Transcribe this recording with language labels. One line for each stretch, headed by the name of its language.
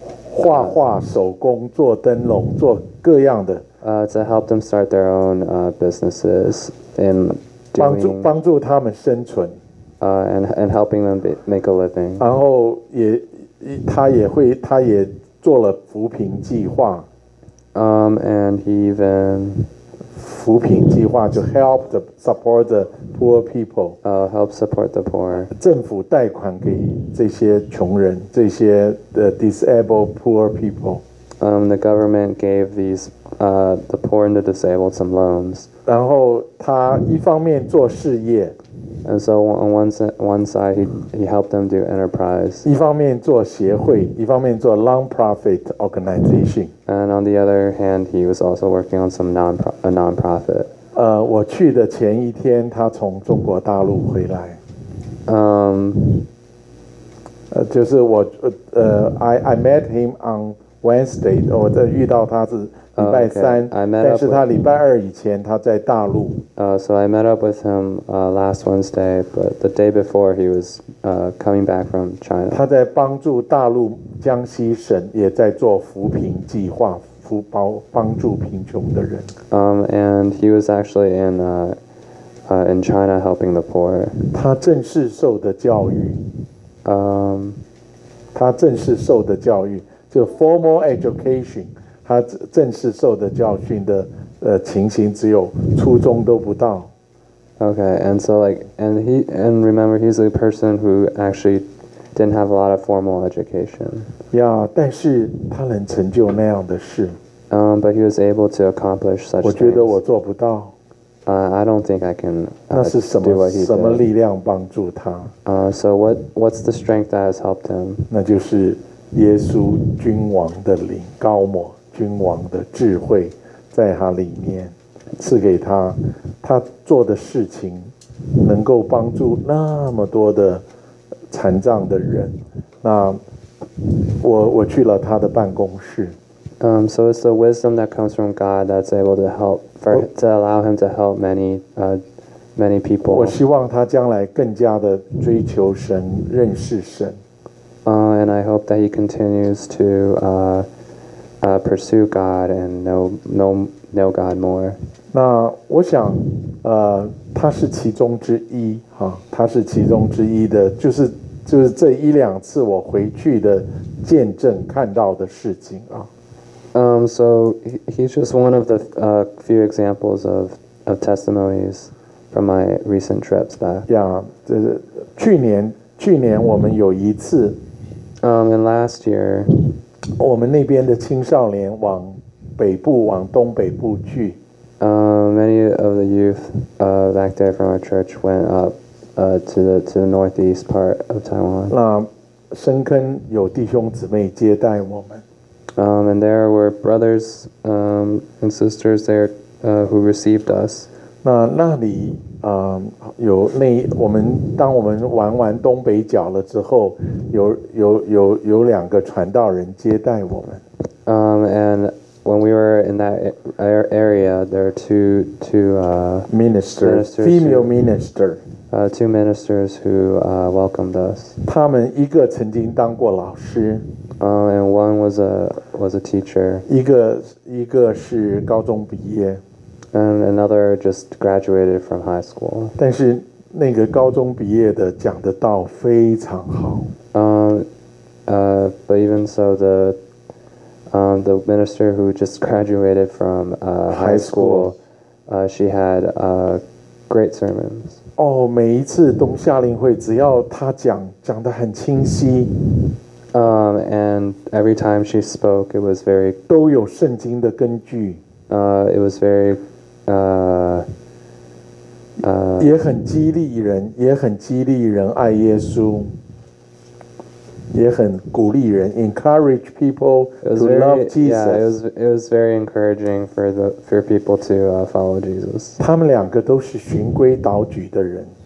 Chinese: 画画手工做灯笼做各样的。
English: To help them start their own businesses and doing,
Chinese: 帮助他们生存。
English: And helping them make a living.
Chinese: 然后他也做了扶贫计划。
English: And he even
Chinese: 扶贫计划就
English: help the support the poor people. Help support the poor.
Chinese: 政府贷款给这些穷人，这些
English: the disabled poor people. The government gave these the poor and the disabled some loans.
Chinese: 然后他一方面做事业。
English: And so on one side, he helped them do enterprise.
Chinese: 一方面做协会，一方面做
English: non-profit organization. And on the other hand, he was also working on some non-profit.
Chinese: 我去的前一天，他从中国大陆回来。就是我
English: I met him on Wednesday.
Chinese: 我在遇到他是礼拜三，
English: okay. I met
Chinese: 但是他礼拜二以前他在大陆。
English: So I met up with him last Wednesday, but the day before he was coming back from China.
Chinese: 他在帮助大陆江西省，也在做扶贫计划，帮助贫穷的人。
English: And he was actually in China helping the poor.
Chinese: 他正式受的教育。他正式受的教育就
English: formal education。
Chinese: 他正式受的教训的情形只有初中都不到。
English: Okay, and so like, and he, and remember, he's a person who actually didn't have a lot of formal education.
Chinese: Yeah, 但是他能成就那样的事。
English: But he was able to accomplish such things.
Chinese: 我觉得我做不到。
English: I don't think I can do what he did.
Chinese: 什么力量帮助他?
English: So what's the strength that has helped him?
Chinese: 那就是耶稣君王的灵，高摩君王的智慧在他里面赐给他，他做的事情能够帮助那么多的残障的人。那我去了他的办公室。
English: So it's the wisdom that comes from God that's able to help to allow him to help many people.
Chinese: 我希望他将来更加的追求神，认识神。
English: And I hope that he continues to pursue God and know God more.
Chinese: 那我想，他是其中之一，哈，他是其中之一的，就是这一两次我回去的见证看到的事情啊。
English: So he's just one of the few examples of testimonies from my recent trips back.
Chinese: Yeah, 这是去年我们有一次。
English: And last year,
Chinese: 我们那边的青少年往北部往东北部去。
English: Many of the youth back there from our church went up to the northeast part of Taiwan.
Chinese: 那深坑有弟兄姊妹接待我们。
English: And there were brothers and sisters there who received us.
Chinese: 那里有那我们当我们玩完东北角了之后，有两个传道人接待我们。
English: And when we were in that area, there are two ministers who welcomed us.
Chinese: 他们一个曾经当过老师。
English: And one was a teacher.
Chinese: 一个是高中毕业。
English: And another just graduated from high school.
Chinese: 但是那个高中毕业的讲的道非常好。
English: But even so, the minister who just graduated from high school, she had great sermons.
Chinese: 哦，每一次东夏令会，只要她讲得很清晰。
English: And every time she spoke, it was very
Chinese: 都有圣经的根据。
English: It was very encourage people to love Jesus. Yeah, it was very encouraging for people to follow Jesus.
Chinese: 他们两个都是循规蹈矩的人。